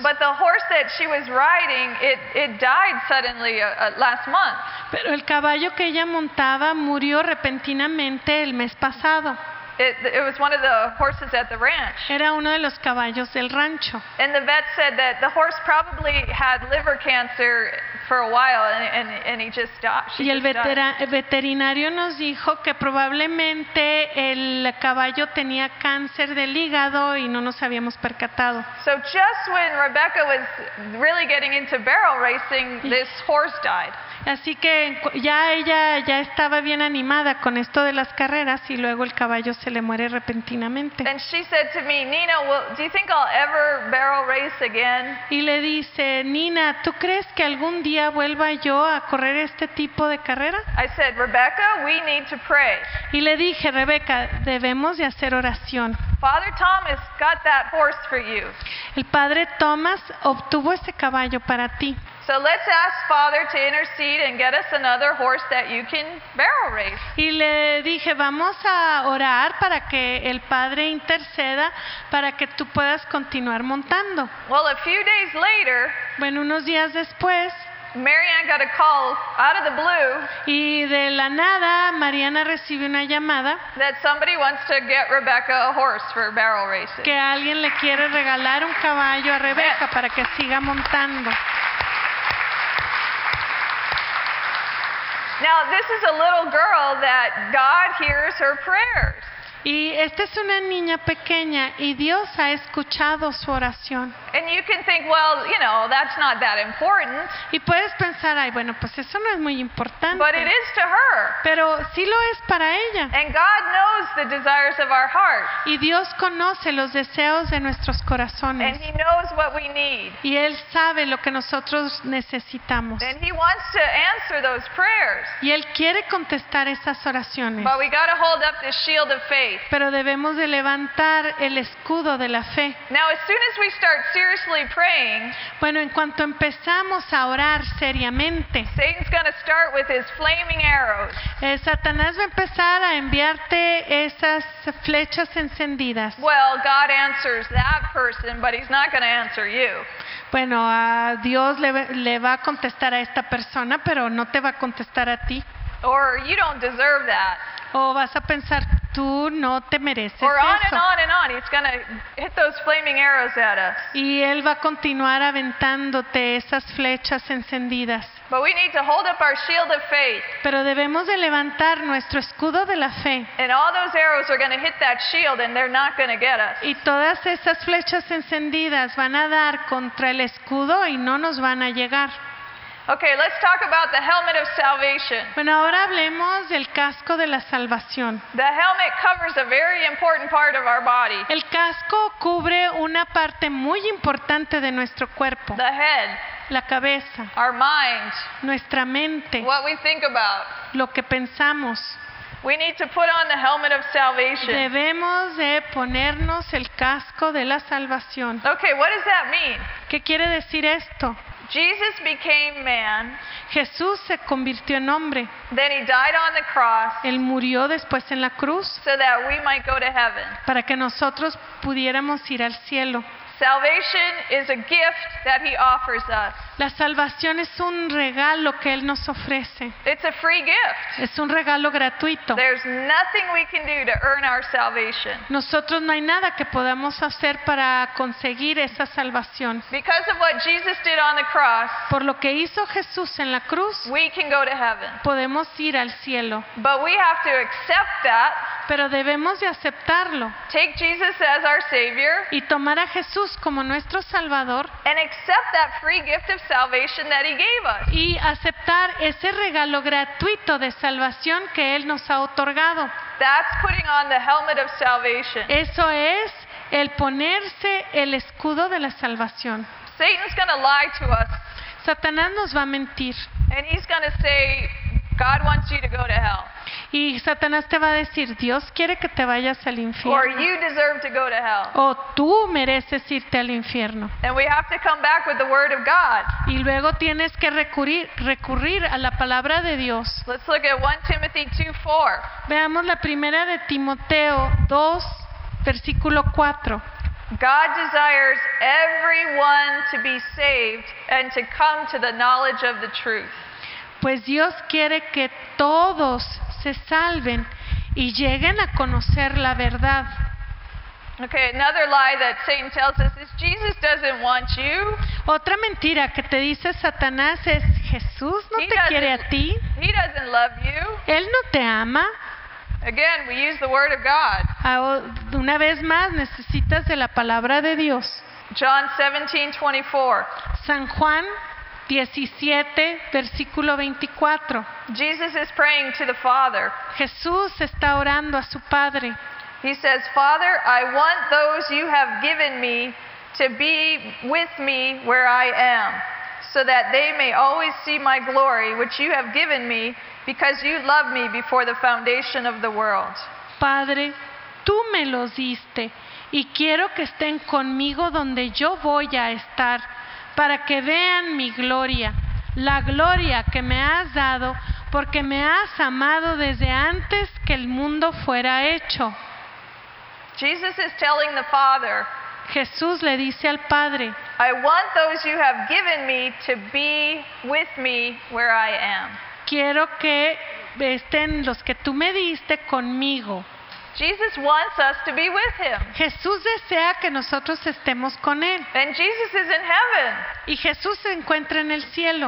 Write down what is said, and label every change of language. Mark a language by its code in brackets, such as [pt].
[en] But the horse that she was riding, it died suddenly last month. [es] Pero el caballo que ella montaba murió repentinamente el mes pasado. [en] It was one of the horses at the ranch. [es] Era uno de los caballos del rancho. [en] And the vet said that the horse probably had liver cancer for a while and he just died. [es] Y el veterinario nos dijo que probablemente el caballo tenía cáncer del hígado y no nos habíamos percatado. [en] So just when Rebecca was really getting into barrel racing, this horse died. [es] Así que ya ella ya estaba bien animada con esto de las carreras y luego el caballo se le muere repentinamente. [en] And she said to me, Nina, well, do you think I'll ever barrel race again? [es] Y le dice, Nina, ¿tú crees que algún día vuelva yo a correr este tipo de carrera? [en] I said, Rebecca, we need to pray. [es] Y le dije, Rebecca, debemos de hacer oración. [en] Father Thomas got that horse for you. [es] El padre Thomas obtuvo ese caballo para ti. [en] So let's ask Father to intercede and get us another horse that you can barrel race. [es] Y le dije, vamos a orar para que el padre interceda para que tú puedas continuar montando. [en] Well, a few days later, [es] bueno, unos días después, [en] Marianne got a call out of the blue. [es] Y de la nada, Mariana recibe una llamada. [en] That somebody wants to get Rebecca a horse for barrel racing. [es] Que alguien le quiere regalar un caballo a Rebecca para que siga montando. [en] Now this is a little girl that God hears her prayers. [es] Y esta es una niña pequeña y Dios ha escuchado su oración. [en] And you can think, well, you know, that's not that important. [es] Y puedes pensar, ay, bueno, pues eso no es muy importante. [en] But it is to her. [es] Pero sí lo es para ella. [en] And God knows the desires of our hearts. [es] Y Dios conoce los deseos de nuestros corazones. [en] And he knows what we need. [es] Y Él sabe lo que nosotros necesitamos. [en] And he wants to answer those prayers. [es] Y Él quiere contestar esas oraciones. [en] But we got to hold up this shield of faith. [es] Pero debemos de levantar el escudo de la fe. [en] Now, as soon as we start seriously praying, [es] bueno, en cuanto empezamos a orar seriamente, [en] Satan's gonna start with his flaming arrows. [es] Satanás va a empezar a enviarte esas flechas encendidas. [en] Well, God answers that person, but he's not gonna answer you. [es] Bueno, a Dios le va a contestar a esta persona, pero no te va a contestar a ti. [en] Or you don't deserve that. [es] O vas a pensar, tú no te mereces [en] or on [es] eso. [en] And on and on, he's gonna hit those flaming arrows at us. [es] Y él va a continuar aventándote esas flechas encendidas. [en] But we need to hold up our shield of faith. [es] Pero debemos de levantar nuestro escudo de la fe. [en] And all those arrows are gonna hit that shield and they're not gonna get us. [es] Y todas esas flechas encendidas van a dar contra el escudo y no nos van a llegar. [en] Okay, let's talk about the helmet of salvation. [es] Bueno, ahora hablemos del casco de la salvación. [en] The helmet covers a very important part of our body. [es] El casco cubre una parte muy importante de nuestro cuerpo. [en] The head. [es] La cabeza. [en] Our mind. [es] Nuestra mente. [en] What we think about. [es] Lo que pensamos. [en] We need to put on the helmet of salvation. [es] Debemos de ponernos el casco de la salvación. [en] Okay, what does that mean? [es] ¿Qué quiere decir esto? [en] Jesus became man. [es] Jesús se convirtió en hombre. [en] Then he died on the cross. [es] Él murió después en la cruz. [en] So that we might go to heaven. [es] Para que nosotros pudiéramos ir al cielo. [en] Salvation is a gift that he offers us. [es] La salvación es un regalo que él nos ofrece. [en] It's a free gift. [es] Es un regalo gratuito. [en] There's nothing we can do to earn our salvation. [es] Nosotros no hay nada que podamos hacer para conseguir esa salvación. [en] Because of what Jesus did on the cross, [es] por lo que hizo Jesús en la cruz, [en] we can go to heaven. [es] Podemos ir al cielo. [en] But we have to accept that. [es] Pero debemos de aceptarlo. [en] Take Jesus as our Savior. [es] Y tomar a Jesús como nuestro Salvador. [en] And accept that free gift of salvation that he gave us. [es] Y aceptar ese regalo gratuito de salvación que él nos ha otorgado. [en] That's putting on the helmet of salvation. [es] Eso es el ponerse el escudo de la salvación. [en] Satan's gonna lie to us. [es] Satanás nos va a mentir. [en] And he's gonna say, God wants you to go to hell. [es] Y Satanás te va a decir, Dios quiere que te vayas al infierno. [en] Or you deserve to go to hell. [es] O tú mereces irte al infierno. [en] And we have to come back with the word of God. [es] Y luego tienes que recurrir a la palabra de Dios. [en] Let's look at 1 Timothy 2:4. [es] Veamos la primera de Timoteo 2, versículo 4. [en] God desires everyone to be saved and to come to the knowledge of the truth. [es] Pues Dios quiere que todos se salven y lleguen a conocer la verdad. [en] Okay, another lie that Satan tells us is Jesus doesn't want you. [es] Otra mentira que te dice Satanás es Jesús no te quiere a ti. [en] He doesn't love you. [es] Él no te ama. [en] Again, we use the word of God. [es] Una vez más necesitas de la palabra de Dios. [en] John 17:24. [es] San Juan 17, versículo 24. [en] Jesus is praying to the Father. [es] Jesús está orando a su Padre. [en] He says, Father, I want those you have given me to be with me where I am, so that they may always see my glory, which you have given me, because you loved me before the foundation of the world. [es] Padre, tú me los diste, y quiero que estén conmigo donde yo voy a estar, para que vean mi gloria, la gloria que me has dado, porque me has amado desde antes que el mundo fuera hecho. [en] Jesus is telling the Father, [es] Jesús le dice al Padre, [en] I want those you have given me to be with me where I am. [es] Quiero que estén los que tú me diste conmigo. [en] Jesus wants us to be with him. [es] Jesús desea que nosotros estemos con él. [en] And Jesus is in heaven. [es] Y Jesús se encuentra en el cielo.